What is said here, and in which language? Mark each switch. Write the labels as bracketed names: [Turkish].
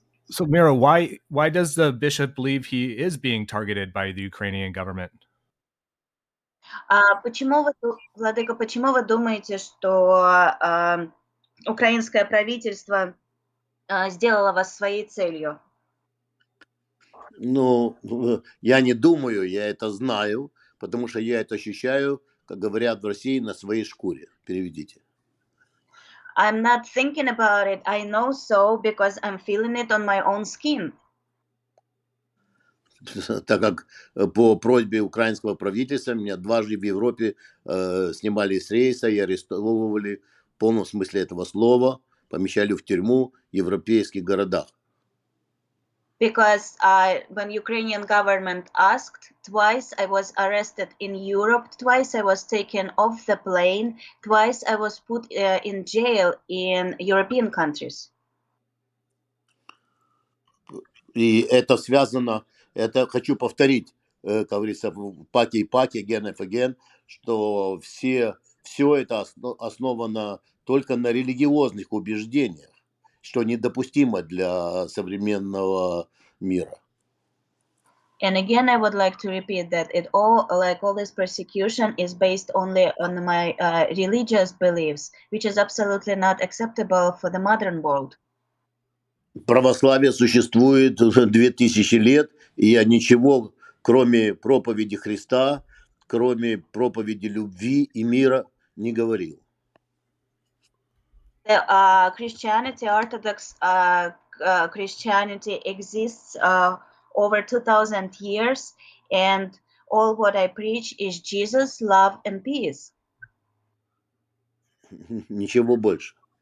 [English] So, Miro, why does the bishop believe he is being targeted by the Ukrainian government? [Russian] Почему вы думаете, что украинское правительство сделало вас своей целью? Ну, я не думаю, я это знаю, потому что я это ощущаю, как говорят в России, на своей шкуре. Переведите. [English] I'm not thinking about it. I know so because I'm feeling it on my own skin. [Russian] Так как по просьбе украинского правительства меня дважды в Европе снимали с рейса и арестовывали в полном смысле этого слова, помещали в тюрьму в европейских городах. [English] Because when Ukrainian government asked, twice I was arrested in Europe, twice I was taken off the plane, twice I was put in jail in European countries. [Russian] И это связано, это хочу повторить, как говорится, паки и паки, [English] again and again, [Russian] что все это основано только на религиозных убеждениях, что недопустимо для современного мира. [English] And again, I would like to repeat that it all, like all this persecution, is based only on my religious beliefs, which is absolutely not acceptable for the modern world. [Russian] Православие существует уже 2000 лет, и я ничего, кроме проповеди Христа, кроме проповеди любви и мира, не говорил. [English] The Christianity, Orthodox Christianity, exists over 2,000 years, and all what I preach is Jesus, love, and peace. [Russian] Ничего больше.